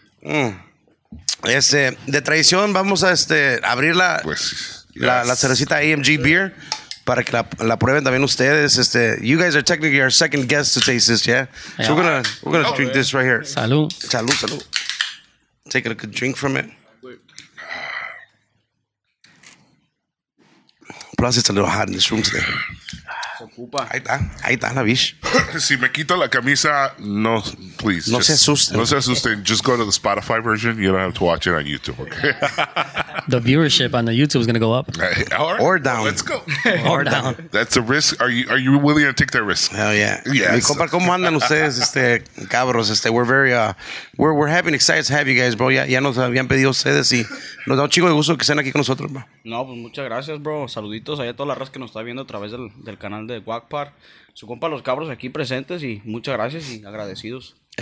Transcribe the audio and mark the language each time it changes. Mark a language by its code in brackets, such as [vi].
[es] De tradición, vamos a abrir la cervecita AMG beer para que la prueben también ustedes. [en] You guys are technically our second guest to taste this, yeah? So we're gonna drink this right here. [es] Salud. Salud, salud. [en] Take a good drink from it. Plus, it's a little hot in this room today. [es] Ahí está la bish. Si me quito la camisa, no, [en] please. [es] No se asusten. No se asusten. [en] Just go to the Spotify version. You don't have to watch it on YouTube, okay? The viewership on the YouTube is going to go up. Right. Or down. Let's go. Or down. That's a risk. Are you willing to take that risk? Hell yeah. Yes. [es] Mi compa, ¿cómo andan ustedes, cabros? [en] We're very, we're happy and excited to have you guys, bro. [es] Ya nos habían pedido ustedes y nos da un chico de gusto que estén aquí con nosotros, bro. No, pues muchas gracias, bro. Saluditos a toda la raza que nos está viendo a través del canal de Guacpar, su compa los cabros aquí presentes y muchas gracias y agradecidos.